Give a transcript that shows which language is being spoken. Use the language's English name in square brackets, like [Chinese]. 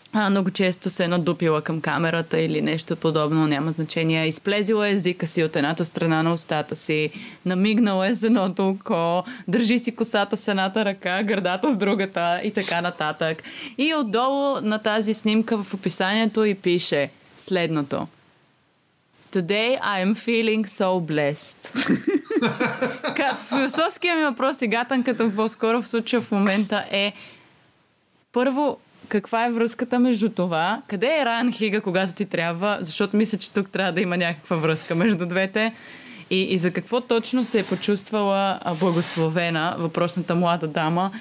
[Bulgarian] Много често се е надупила към камерата или нещо подобно, няма значение. Изплезила езика си от едната страна на устата си, намигнала е с едното око, държи си косата с едната ръка, гърдата с другата и така нататък. И отдолу на тази снимка в описанието и пише следното. [English] Today I am feeling so blessed. [Bulgarian] Философският ми въпрос и гатанката по-скоро в случая в момента е първо, каква е връзката между това? Къде е Райан Хига, когато ти трябва? Защото мисля, че тук трябва да има някаква връзка между двете. И за какво точно се е почувствала благословена въпросната млада дама?